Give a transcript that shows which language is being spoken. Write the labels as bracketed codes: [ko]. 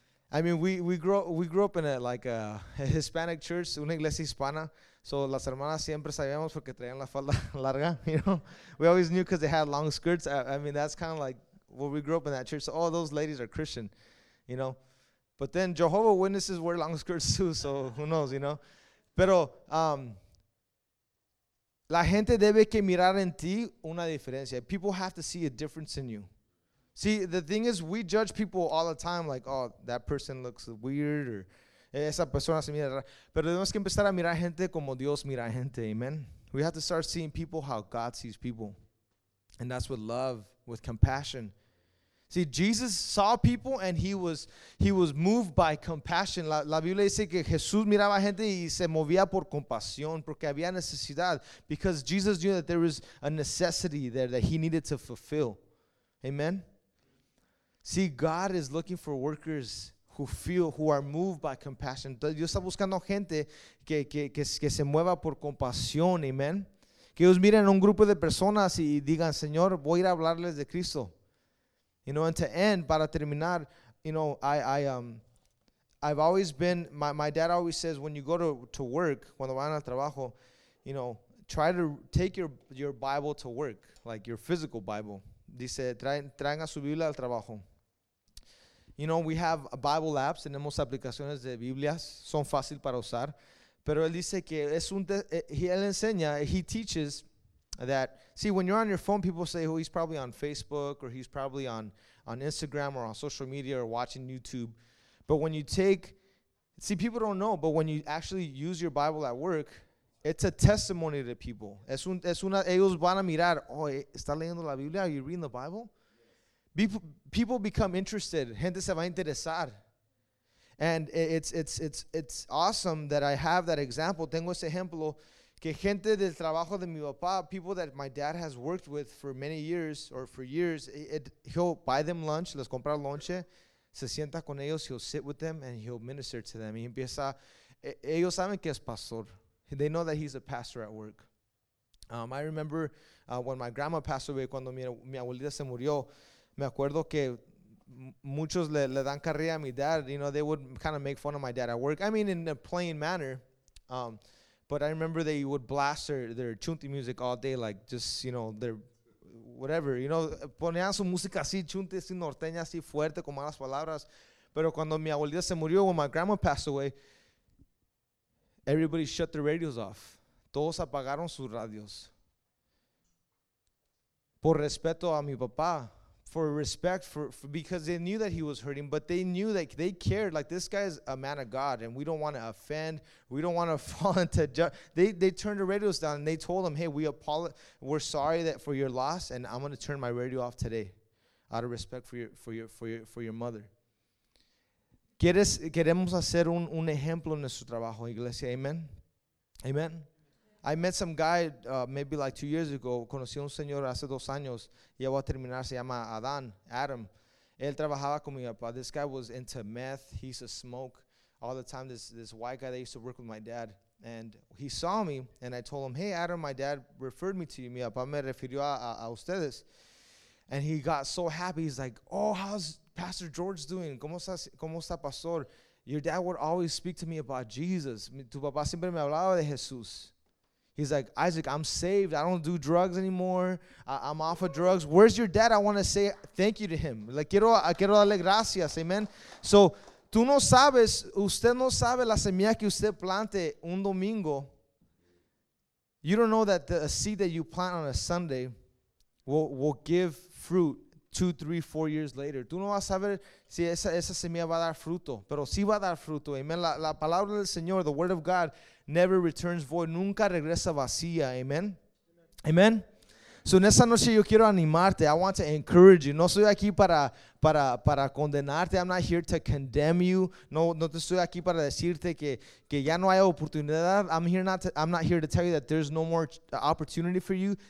[en] I mean, we grew up in a Hispanic church, [es] una iglesia hispana. So las hermanas siempre sabíamos porque traían la falda larga, you know. [en] We always knew because they had long skirts. I mean, that's kind of like, well, we grew up in that church, so all those ladies are Christian, you know. But then Jehovah's Witnesses wear long skirts too, so who knows, you know. [es] Pero la gente debe que mirar en ti una diferencia. [en] People have to see a difference in you. See, the thing is, we judge people all the time, like, oh, that person looks weird, or [es] esa persona se mira. Pero tenemos que empezar a mirar gente como Dios mira gente, amen. [en] We have to start seeing people how God sees people. And that's with love, with compassion. See, Jesus saw people and he was moved by compassion. [es] La Biblia dice que Jesús miraba gente y se movía por compasión, porque había necesidad. [en] Because Jesus knew that there was a necessity there that he needed to fulfill. Amen? See, God is looking for workers who feel, who are moved by compassion. [es] Dios está buscando gente que se mueva por compasión. Amen? Que ellos miren a un grupo de personas y digan, Señor, voy a ir a hablarles de Cristo. [en] You know, and to end, [es] para terminar, [en] you know, I've always been, my dad always says, when you go to work, [es] cuando van al trabajo, [en] you know, try to take your Bible to work, like your physical Bible. [es] Dice, traen a su Biblia al trabajo. You know, [en] we have Bible apps, [es] tenemos aplicaciones de Biblias, son fácil para usar. Pero él dice que es un, él enseña, [en] he teaches that, see, when you're on your phone, people say, oh, he's probably on Facebook, or he's probably on Instagram, or on social media, or watching YouTube. But when you take, see, people don't know, but when you actually use your Bible at work, it's a testimony to people. [es] Es una, ellos van a mirar, oh, ¿está leyendo la Biblia? [en] Are you reading the Bible? People become interested. [es] Gente se va a interesar. [en] And it's awesome that I have that example. [es] Tengo ese ejemplo que gente del trabajo de mi papá, [en] people that my dad has worked with for many years or for years, he'll buy them lunch, [es] les compra lonche, se sienta con ellos, [en] he'll sit with them and he'll minister to them. [es] Y empieza, ellos saben que es pastor. [en] They know that he's a pastor at work. I remember when my grandma passed away, [es] cuando mi abuelita se murió, me acuerdo que muchos le dan carrilla a mi [en] dad, you know, they would kind of make fun of my dad at work. I mean, in a plain manner. But I remember they would blast their chunti music all day, like just, you know, their whatever, you know. [es] Ponían su música así, chunti, así norteña, así fuerte, con malas palabras. Pero cuando mi abuelita se murió, [en] when my grandma passed away, [es] everybody shut their radios off. Todos apagaron sus radios. Por respeto a mi papá. [en] For respect, for because they knew that he was hurting, but they knew that they cared. Like, this guy is a man of God, and we don't want to offend. We don't want to fall into judgment. They turned the radios down, and they told him, hey, we're sorry that for your loss, and I'm going to turn my radio off today out of respect for your mother. [es] Queremos hacer un ejemplo en nuestro trabajo, iglesia. [en] Amen? Amen? I met some guy maybe like 2 years ago. [es] Conocí a un señor hace 2 años. Ya voy a terminar. Se llama Adam. Él trabajaba con mi papá. [en] This guy was into meth. He used to smoke all the time. This white guy that used to work with my dad. And he saw me, and I told him, hey, Adam, my dad referred me to you. [es] Mi papá me refirió a ustedes. [en] And he got so happy. He's like, oh, how's Pastor George doing? [es] ¿Cómo está Pastor? [en] Your dad would always speak to me about Jesus. [es] Tu papá siempre me hablaba de Jesús. [en] He's like, Isaac, I'm saved. I don't do drugs anymore. I'm off of drugs. Where's your dad? I want to say thank you to him. [es] Like, quiero darle gracias. Amen. So, tú no sabes, usted no sabe la semilla que usted plante un domingo. [en] You don't know that the seed that you plant on a Sunday will give fruit 2, 3, 4 years later. [es] Tú no vas a saber si esa semilla va a dar fruto, pero sí va a dar fruto. Amen. La palabra del Señor, [en] the word of God, [es] never returns void. Nunca regresa vacía. Amen. Amen. So, en esa noche yo quiero animarte. [en] I want to encourage you. [es] No estoy aquí para condenarte. [en] I'm not here to condemn you. [es] No te estoy aquí para decirte que ya no hay oportunidad. [en] I'm not here to tell you that there's no more opportunity for you.